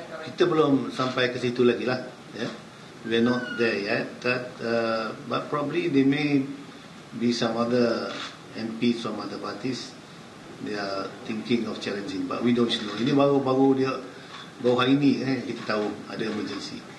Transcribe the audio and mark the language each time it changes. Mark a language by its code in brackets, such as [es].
[ms] Kita belum sampai ke situ lagi lah. [en] Yeah. We're not there yet. That, but probably they may be some other MPs from other parties. They are thinking of challenging. But we don't know. [ms] Ini baru-baru dia, baru hari ini kita tahu ada emergency.